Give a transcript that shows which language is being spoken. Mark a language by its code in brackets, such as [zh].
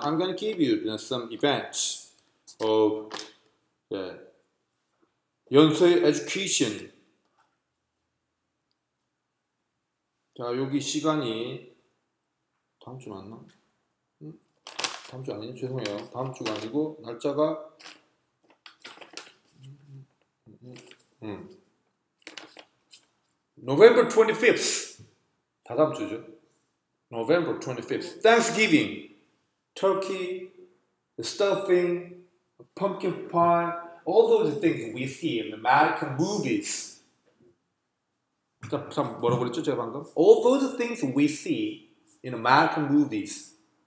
[en] I'm going to give you some events of the Yonsei Education. [ko] 자, 여기 시간이 다음 주 맞나? 다음 주 아니죠? 죄송해요. 다음 주가 아니고 날짜가 November 25th. 다 다음 주죠. [en] November 25th, Thanksgiving, turkey, stuffing, pumpkin pie, all those things we see in American movies. [ko] 잠깐 뭐라고 그랬죠 제가 방금? [en] All those things we see in American movies.